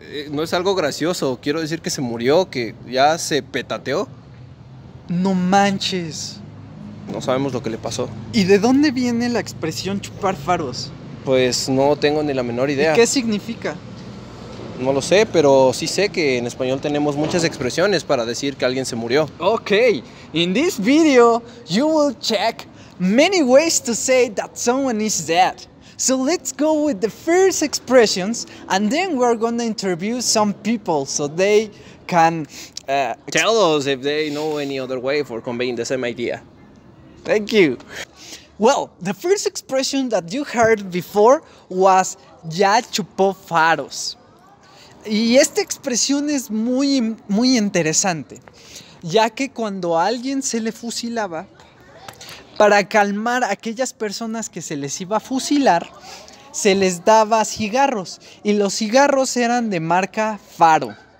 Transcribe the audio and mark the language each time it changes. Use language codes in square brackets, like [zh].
[es] No es algo gracioso, quiero decir que se murió, que ya se petateó. No manches. No sabemos lo que le pasó. ¿Y de dónde viene la expresión chupar faros? Pues no tengo ni la menor idea. ¿Y qué significa? No lo sé, pero sí sé que en español tenemos muchas expresiones para decir que alguien se murió. [en] Ok, in this video, you will check many ways to say that someone is dead. So let's go with the first expressions and then we're going to interview some people so they can... Tell us if they know any other way for conveying the same idea. Thank you. Well, the first expression that you heard before was [es] ya chupó faros. Y esta expresión es muy, muy interesante, ya que cuando a alguien se le fusilaba, para calmar a aquellas personas que se les iba a fusilar, se les daba cigarros, y los cigarros eran de marca Faro.